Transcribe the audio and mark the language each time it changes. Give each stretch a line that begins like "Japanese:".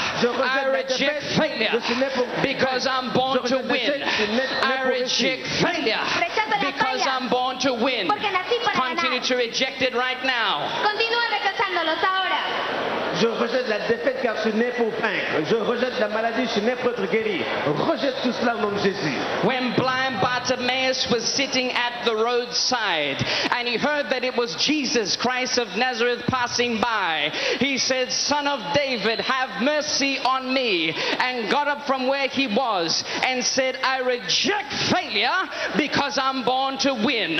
English: I reject failure because I'm born to win. I reject failure because I'm born to win. Continue to reject it right now.
Spanish: Continúa rechazándolos ahora.
French: Je rejette la défaite car je suis né pour vaincre. Je rejette la maladie, je suis né pour être guéri. Rejette tout cela au nom de Jésus.
English: When blind Bartimaeus was sitting at the roadside and he heard that it was Jesus Christ of Nazareth passing by, he said, Son of David, have mercy on me. And got up from where he was and said, I reject failure because I'm born to win.